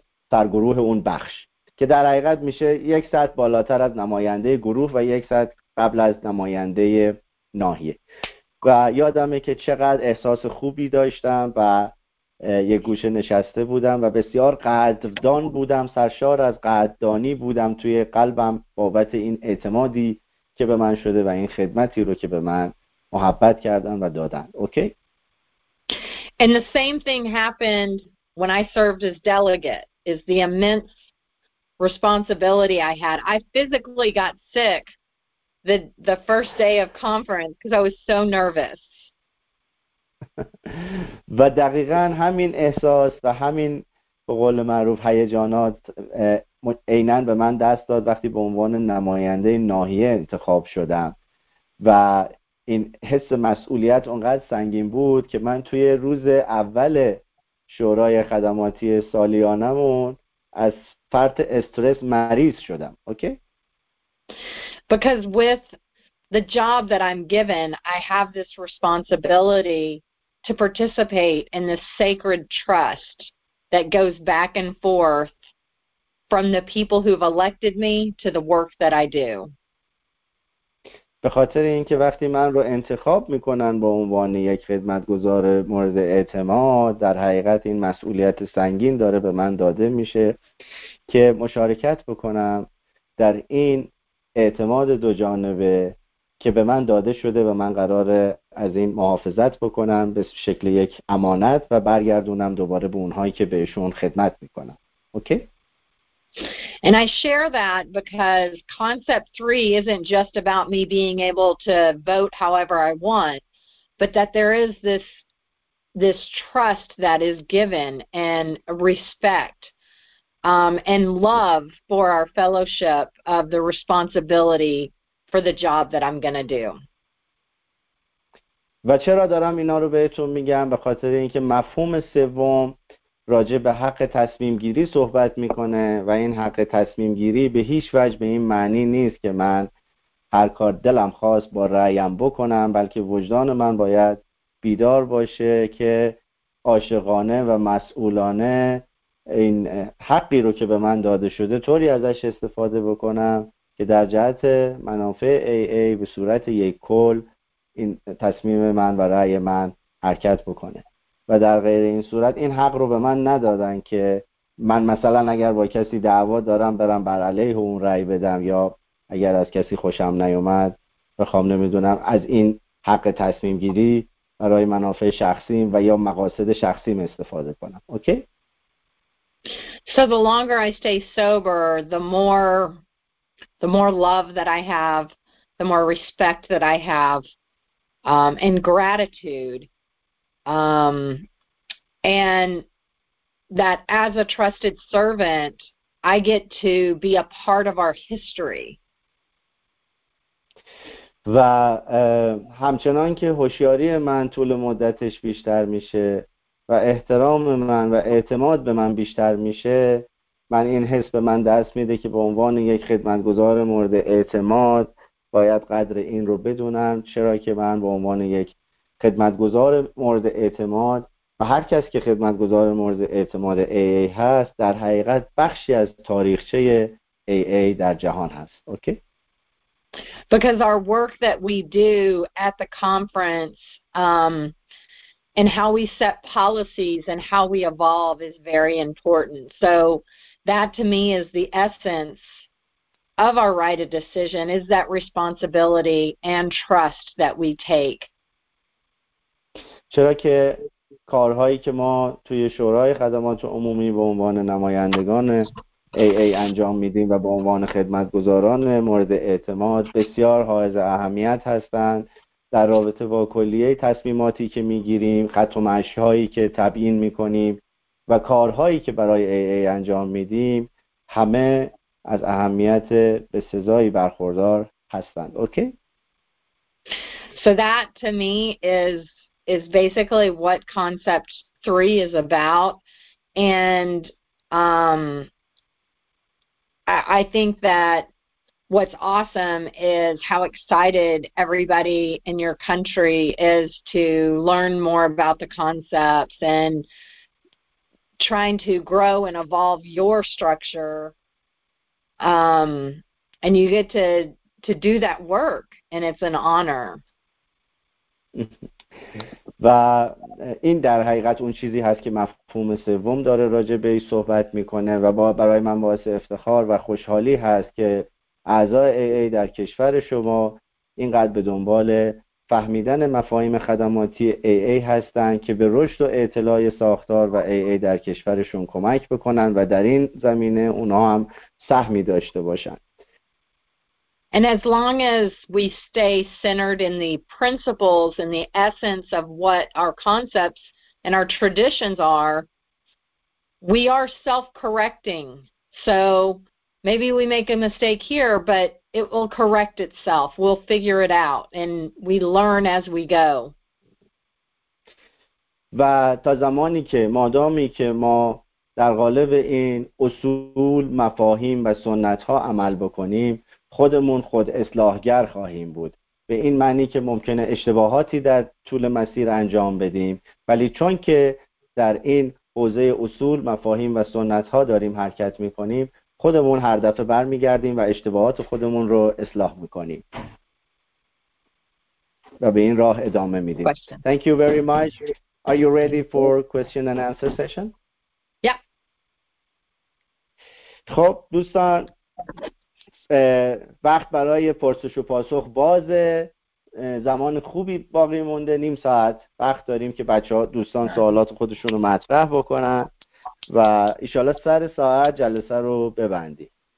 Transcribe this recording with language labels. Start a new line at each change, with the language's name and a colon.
Persian: سرگروه اون بخش که در حقیقت میشه یک سطح بالاتر از نماینده گروه و یک سطح قبل از نماینده ناحیه و یادمه که چقدر احساس خوبی داشتم و یک گوشه نشسته بودم و بسیار قدردان بودم سرشار از قدردانی بودم توی قلبم بابت این اعتمادی که به من شده و این خدمتی رو که به من محبت کردن و دادن.
English: Okay? And the same thing happened when I served as delegate, is the immense responsibility I had. I physically got sick the first day of conference because I was so nervous.
Persian: و دقیقاً همین احساس و همین به قول معروف هیجانات عیناً به من دست داد وقتی به عنوان نماینده ناحیه انتخاب شدم و این حس مسئولیت اونقدر سنگین بود که من توی روز اول شورای خدماتی سالیانمون از فرط استرس مریض شدم.
English: Okay? Because with the job that I'm given, I have this responsibility to participate in this sacred trust that goes back and forth from the people who've elected me to the work that I do.
Persian: به خاطر اینکه وقتی من رو انتخاب میکنن به عنوان یک خدمتگزار مورد اعتماد در حقیقت این مسئولیت سنگین داره به من داده میشه که مشارکت بکنم در این اعتماد دو جانبه که به من داده شده و من قراره از این محافظت بکنم به شکل یک امانت و برگردونم دوباره به اونهایی که بهشون خدمت میکنم.
English: Okay? And I share that because concept three isn't just about me being able to vote however I want, but that there is this trust that is given and respect and love for our fellowship of the responsibility for the job that I'm going to do.
Persian: و چرا دارم اینا رو بهتون میگم؟ به خاطر اینکه مفهوم سوم راجع به حق تصمیم گیری صحبت میکنه و این حق تصمیم گیری به هیچ وجه به این معنی نیست که من هر کار دلم خواست با رأیم بکنم بلکه وجدان من باید بیدار باشه که عاشقانه و مسئولانه این حقی رو که به من داده شده طوری ازش استفاده بکنم که در جهت منافع AA به صورت یک کل این تصمیم من و رأی من حرکت بکنه و در غیر این صورت این حق رو به من ندادن که من مثلا اگر با کسی دعوا دارم برم بر علیه اون رأی بدم یا اگر از کسی خوشم نیومد بخوام نمیدونم از این حق تصمیم گیری برای منافع شخصیم و یا مقاصد شخصیم استفاده کنم.
English: Okay? So the longer I stay sober, the more love that I have, the more respect that I have, and gratitude. And that as a trusted servant, I get to be a part of our history.
Persian: و همچنان که هوشیاری من طول مدتش بیشتر میشه و احترام من و اعتماد به من بیشتر میشه، من این حس به من دست میده که به عنوان یک خدمتگزار مورد اعتماد باید قدر این رو بدونم، چرا که من به عنوان یک خدمتگزار مورد اعتماد و هر کس که خدمتگزار مورد اعتماد AA هست در حقیقت بخشی از تاریخچه AA در جهان هست.
English: Okay? Because our work that we do at the conference and how we set policies and how we evolve is very important. So that to me is the essence of our right of decision, is that responsibility and trust that we take.
Persian: چرا که کارهایی که ما توی شورای خدمات عمومی به عنوان نمایندگان AA انجام میدیم و به عنوان خدمتگزاران مورد اعتماد بسیار حائز اهمیت هستند در رابطه با کلیه تصمیماتی که میگیریم، خط و مشی هایی که تبیین میکنیم و کارهایی که برای AA انجام میدیم، همه از اهمیت به سزایی برخوردار هستند.
English: Okay? So that to me is basically what concept three is about. And I think that what's awesome is how excited everybody in your country is to learn more about the concepts and trying to grow and evolve your structure. And you get to do that work, and it's an honor.
Persian: و این در حقیقت اون چیزی هست که مفهوم سوم داره راجع به این صحبت میکنه و با برای من باعث افتخار و خوشحالی هست که اعضای AA در کشور شما اینقدر به دنبال فهمیدن مفاهیم خدماتی AA هستند که به رشد و اعتلای ساختار و AA در کشورشون کمک بکنن و در این زمینه اونا هم سهمی داشته باشن.
English: And as long as we stay centered in the principles and the essence of what our concepts and our traditions are, we are self-correcting. So maybe we make a mistake here, but it will correct itself. We'll figure it out, and we learn as we go.
Persian: و تا زمانی که مادامی که ما در قالب این اصول، مفاهیم و سنت‌ها عمل بکنیم، خودمون خود اصلاحگر خواهیم بود، به این معنی که ممکنه اشتباهاتی در طول مسیر انجام بدیم، ولی چون که در این حوزه اصول، مفاهیم و سنت ها داریم حرکت می کنیم، خودمون هر دفعه برمی گردیم و اشتباهات خودمون رو اصلاح می کنیم و به این راه ادامه می دیم.
English: Thank you very much. Are you ready for question and answer session? Yeah.
Persian: خب دوستان، وقت برای پرسش و پاسخ بازه، زمان خوبی باقی مونده، نیم ساعت وقت داریم که بچه ها دوستان سوالات خودشون رو مطرح بکنن و ایشالا سر ساعت جلسه رو ببندیم.